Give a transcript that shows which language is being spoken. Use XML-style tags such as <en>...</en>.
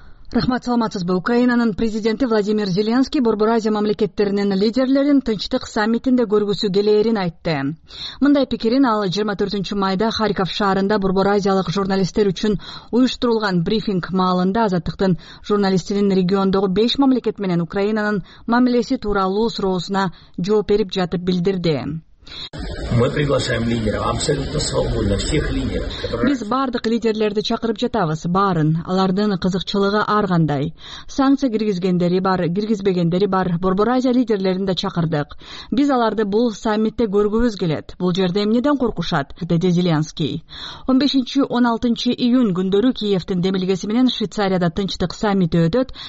<ky>Рахмат, саламатсызбы. Украинанын президенти Владимир Зеленский Борбор Азия мамлекеттеринин лидерлерин тынчтык саммитинде көргүсү келээрин айтты. Мындай пикирин ал 24 майда Харьков шаарында Борбор Азиялык журналисттер үчүн уюштурулган брифинг маалында Азаттыктын журналистинин региондогу 5 мамлекет менен Украинанын мамилеси тууралуу суроосуна жооп берип жатып билдирди.</ky> <ru>Мы приглашаем лидеров, абсолютно свободно, всех лидеров.</ru> <ky>Биз бардык лидерлерди чакырып жатабыз, баарын, алардын кызыкчылыгы ар кандай. Санкция киргизгендери бар, киргизбегендери бар, Борбор Азия лидерлерин да чакырдык. Биз аларды бул саммитте көргүбүз келет. Бул жерде эмнеден коркушат? Деди Зеленский. 15-16 июнь күндөрү Киевтин демилгеси менен Швейцарияда тынчтык саммити өтөт.</ky>